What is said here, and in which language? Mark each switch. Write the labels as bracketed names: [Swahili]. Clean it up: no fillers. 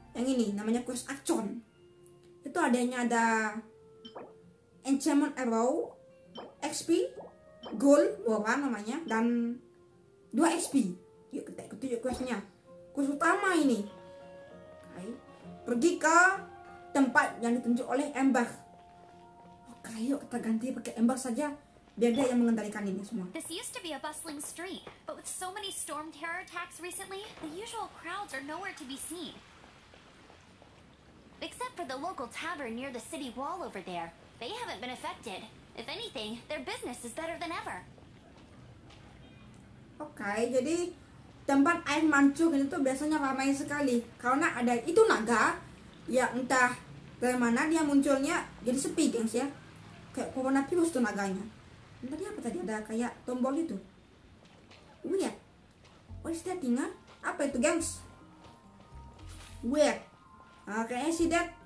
[Indonesian] Yang ini namanya quest Action. Itu adanya ada Enchantment Arrow, XP, Gold, Warna namanya, dan 2 XP. Yuk kita ikuti yuk questnya. Quest utama ini. Okay. Pergi ke tempat yang ditunjuk oleh Ember. Ayo kita ganti pakai Ember saja biar dia yang mengendalikan ini semua. [English] This used to be a bustling street, but with so many storm terror attacks recently, the usual crowds are nowhere to be seen. Except for the local tavern near the city wall over there. They haven't been affected. If anything, their business is better than ever. [Indonesian] Okay, jadi tempat air mancur itu biasanya ramai sekali karena ada itu naga ya, entah dari mana dia munculnya jadi sepi gengs ya, kayak corona virus tuh naganya. Tadi apa tadi ada kayak tombol itu, weird. [English] What is that thing? [Indonesian] Apa itu gengs? Weird. Kayaknya sih dead.